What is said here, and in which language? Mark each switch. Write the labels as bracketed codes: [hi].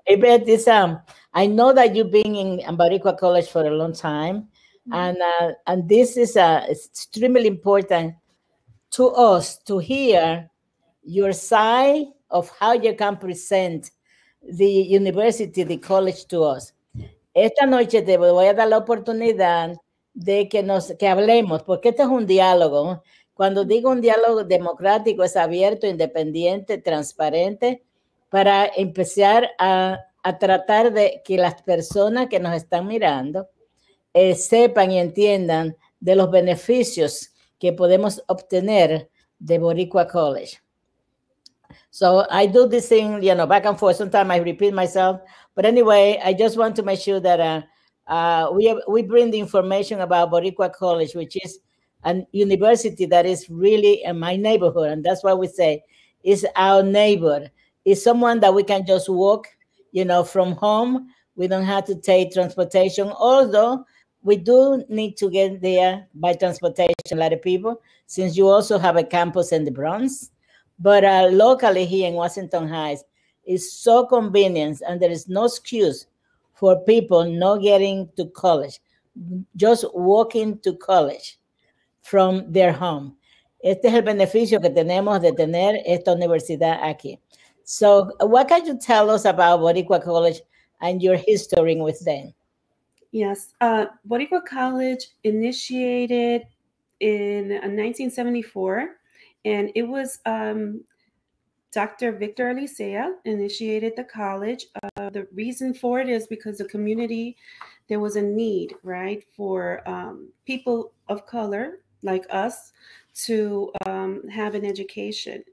[en] Yvette, I know that you've been in Boricua College for a long time. And this is extremely important to us to hear your side of how you can present the university, the college to us. [es] Esta noche te voy a dar la oportunidad de que hablemos, porque este es un diálogo. Cuando digo un diálogo democrático, es abierto, independiente, transparente, para empezar a tratar de que las personas que nos están mirando sepan y entiendan de los beneficios que podemos obtener de Boricua College. [en] So I do this thing, you know, back and forth. Sometimes I repeat myself. But anyway, I just want to make sure that we bring the information about Boricua College, which is a university that is really in my neighborhood. And that's why we say it's our neighbor. It's someone that we can just walk, you know, from home. We don't have to take transportation, although we do need to get there by transportation, a lot of people, since you also have a campus in the Bronx. But locally here in Washington Heights, it's so convenient, and there is no excuse for people not getting to college, just walking to college from their home. [es] Este es el beneficio que tenemos de tener esta universidad aquí. [en] So what can you tell us about Boricua College and your history with them? Yes, Boricua College initiated in 1974, and it was Dr. Victor Alicea initiated the college. The reason for it is because the community, there was a need, right, for people of color like us to have an education.